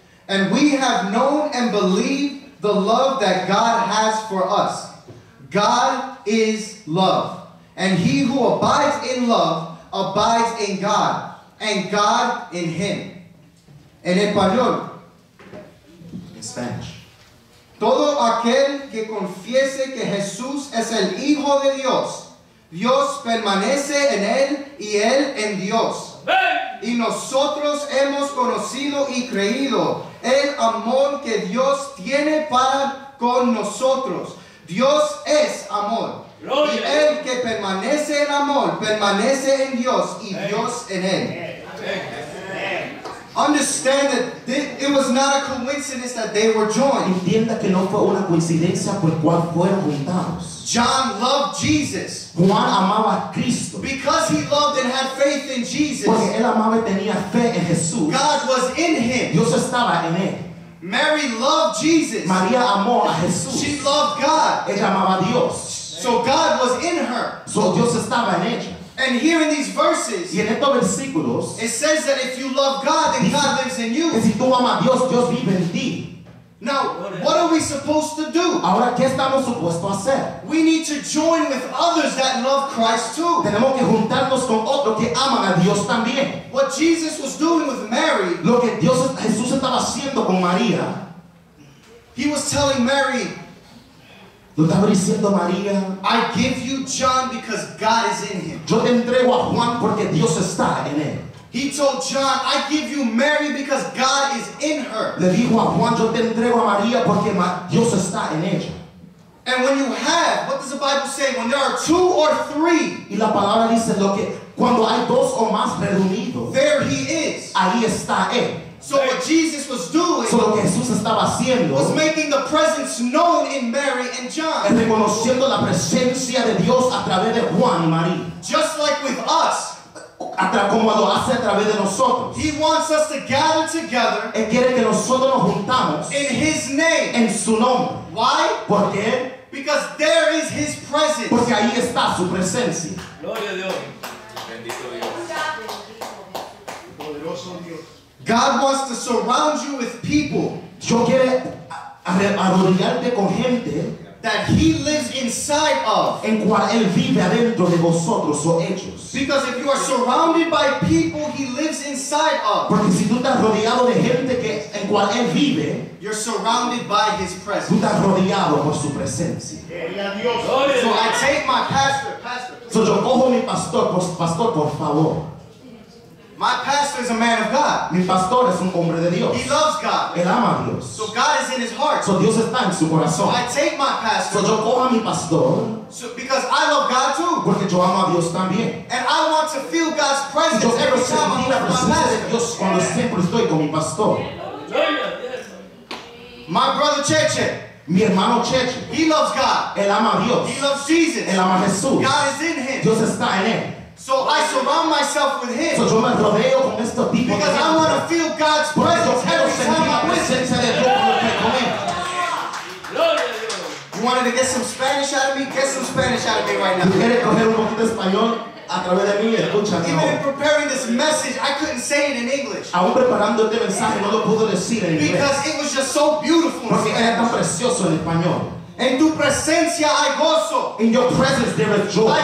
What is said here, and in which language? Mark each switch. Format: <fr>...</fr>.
<en>And we have known and believed the love that God has for us. God is love. And he who abides in love abides in God, and God in him.</en> <es>En español.</es> <en>In Spanish.</en> <es>Todo aquel que confiese que Jesús es el Hijo de Dios, Dios permanece en él y él en Dios. Y nosotros hemos conocido y creído el amor que Dios tiene para con nosotros. Dios es amor. Y el que permanece en amor, permanece en Dios y Dios en él.</es> <en>Understand that it was not a coincidence that they were joined.</en> <es>Entienda que no fue una coincidencia por cual fueron juntados.</es> <en>John loved Jesus.</en> <es>Juan amaba a Cristo.</es> <en>Because he loved and had faith in Jesus.</en> <es>Porque él amaba y tenía fe en Jesús.</es> <en>God was in him.</en> <es>Dios estaba en él.</es> <en>Mary loved Jesus.</en> <es>María amó a Jesús.</es> <en>She loved God.</en> <es>Ella amaba a Dios.</es> <en>So God was in her.</en> <es>So Dios estaba en ella.</es> <en>And here in these verses,</en> <es>y en estos versículos,</es> <en>it says that if you love God, then God lives in you.</en> <es>Que si tú amas a Dios, Dios vive en ti.</es> <en>Now, what are we supposed to do?</en> <es>Ahora, ¿qué estamos supuestos a hacer?</es> <en>We need to join with others that love Christ too.</en> <es>Tenemos que juntarnos con otros que aman a Dios también.</es> <en>What Jesus was doing with Mary,</en> <es>lo que Dios, Jesús estaba haciendo con María,</es> <en>he was telling Mary,</en> <es>lo estaba diciendo María,</es> <en>I give you John because God is in him.</en> <es>Yo te entrego a Juan porque Dios está en él.</es> <en>He told John, I give you Mary because God is in her.</en> <es>Le dijo a Juan, yo te entrego a María porque Dios está en ella.</es> <en>And when you have, what does the Bible say? When there are two or three.</en> <es>Y la palabra dice lo que, cuando hay dos o más reunidos.</es> <en>There he is.</en> <es>Ahí está él.</es> <en>So what Jesus was doing,</en> <es>so lo que Jesús estaba haciendo,</es> <en>was making the presence known in Mary and John.</en> <es>Es reconociendo la presencia de Dios a través de Juan y María.</es> <en>Just like with us.</en> <es>Como lo hace a través de nosotros.</es> <en>He wants us to gather together.</en> <es>Él quiere que nosotros nos juntamos.</es> <en>In his name.</en> <es>En su nombre.</es> <en>Why?</en> <es>¿Por qué?</es> <en>Because there is his presence.</en> <es>Porque ahí está su presencia. Gloria a Dios. Bendito Dios. Poderoso Dios.</es> <en>God wants to surround you with people.</en> <es>Yo quiero arrodillarte con gente</es> <en>that he lives inside of.</en> <es>En cual él vive adentro de vosotros o ellos.</es> <en>Because if you are surrounded by people he lives inside of.</en> <es>Porque si tú estás rodeado de gente que en cual él vive,</es> <en>you're surrounded by his presence.</en> <es>Tú estás rodeado por su presencia.</es> <en>So I take my pastor.</en> <es>So yo cojo mi pastor, pastor, por favor.</es> <en>My pastor is a man of God.</en> <es>Mi pastor es un hombre de Dios.</es> <en>He loves God.</en> <es>Él ama a Dios.</es> <en>So God is in his heart.</en> <es>So Dios está en su corazón.</es> <en>So I take my pastor.</en> <es>So yo cojo a mi pastor.</es> <en>So because I love God too.</en> <es>Porque yo amo a Dios también.</es> <en>And I want to feel God's presence.</en> <es>Y yo quiero</es> <en>every time</en> <es>sentir la presencia de Dios cuando siempre estoy con mi pastor.</es> <en>My brother Cheche.</en> <es>Mi hermano Cheche.</es> <en>He loves God.</en> <es>Él ama a Dios.</es> <en>He loves Jesus.</en> <es>Él ama a Jesús.</es> <en>God is in him.</en> <es>Dios está en él.</es> <en>So I surround myself with him.</en> <es>So yo me rodeo con este tipo</es> <en>because</en> <es>de</es> <en>I want to feel God's presence every time I'm with him.</en> <es>De Dios.</es> <en>You wanted to get some Spanish out of me? Get some Spanish out of me right now.</en> <es>¿Quieres coger un poquito de español a través de mí? Escúchame.</es> <en>Even in preparing this message, I couldn't say it in English.</en> <es>Aún preparando este mensaje, no lo pude decir en inglés.</es> <en>Because it was just so beautiful.</en> <es>Porque era tan precioso en español. En tu presencia hay gozo.</es> <en>In your presence there is joy.</en>